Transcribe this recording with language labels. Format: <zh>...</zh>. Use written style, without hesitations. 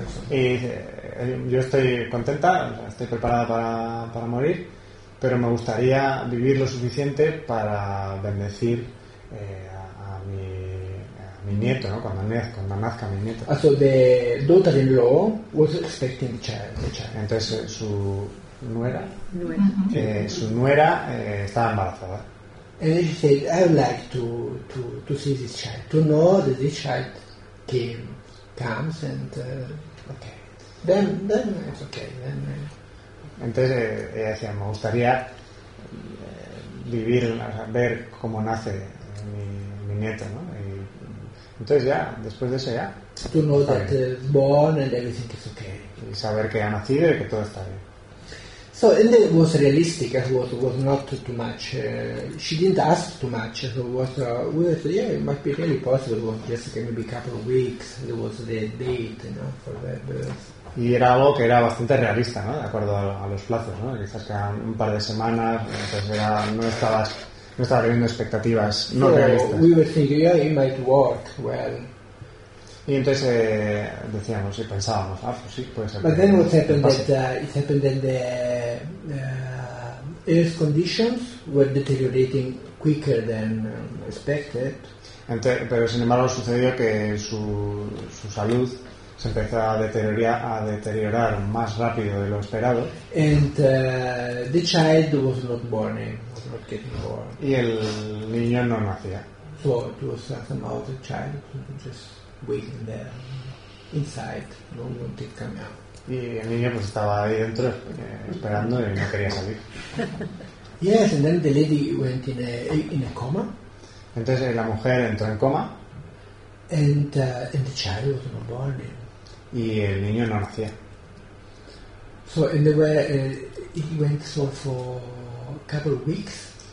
<es>Y yo estoy contenta, estoy preparada para morir, pero me gustaría vivir lo suficiente para bendecir a mi nieto, ¿no? Cuando nazca mi nieto.</es> <en>So the daughter-in-law was expecting the child.</en> <es>Entonces su nuera. Nuera. Su nuera estaba embarazada.</es> <en>And she said, "I would like to see this child, to know that this child comes and okay." then it's okay. Then,</en> <es>entonces ella decía, me gustaría vivir, o sea, ver cómo nace mi nieto, ¿no? Y entonces ya, después de eso ya.</es> <en>To know that it's born and everything is okay.</en> <es>Y saber que ha nacido y que todo está bien.</es> <en>So and it was realistic, it was not too much. She didn't ask too much. So it might be really possible. Well, Jessica, maybe a couple of weeks. There was the date, you know, for that birth.</en> <es>Y era algo que era bastante realista, ¿no? De acuerdo a los plazos, ¿no? Quizás que un par de semanas, entonces era, no estaba teniendo expectativas no realistas.</es> <en>We were thinking, yeah, it might work well.</en> <es>Y entonces decíamos y pensábamos, ah, pues sí, puede ser.</es> <en>But then what happened is that it happened that the earth conditions were deteriorating quicker than expected.</en> <es>Pero sin embargo sucedió que su salud se empezó a deteriorar más rápido de lo esperado.</es> <en>And the child was not born, was not getting born.</en> <es>Y el niño no nacía.</es> <en>So it was somehow the child just waiting there, inside, no wanted to come out.</en> <es>Y el niño pues estaba ahí dentro esperando y no quería salir.</es> <en>Yes, and then the lady went in a coma.</en> <es>Entonces la mujer entró en coma.</es> <en>And the child was not born.</en> <es>Y el niño no nacía.</es> <en>So and they were he went so for a couple of weeks.</en>